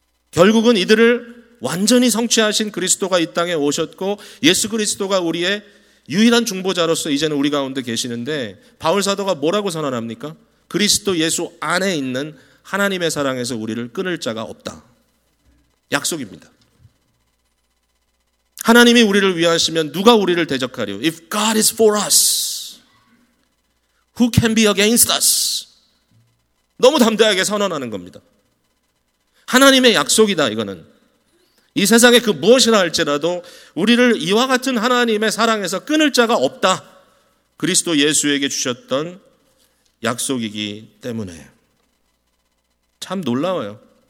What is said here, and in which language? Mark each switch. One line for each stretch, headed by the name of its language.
Korean: 결국은 이들을 완전히 성취하신 그리스도가 이 땅에 오셨고 예수 그리스도가 우리의 유일한 중보자로서 이제는 우리 가운데 계시는데 바울사도가 뭐라고 선언합니까? 그리스도 예수 안에 있는 하나님의 사랑에서 우리를 끊을 자가 없다. 약속입니다. 하나님이 우리를 위하시면 누가 우리를 대적하리요?
English: If God is for us, who can be against us?
Korean: 너무 담대하게 선언하는 겁니다. 하나님의 약속이다, 이거는. 이 세상에 그 무엇이라 할지라도 우리를 이와 같은 하나님의 사랑에서 끊을 자가 없다. 그리스도 예수에게 주셨던 약속이기 때문에. 참 놀라워요.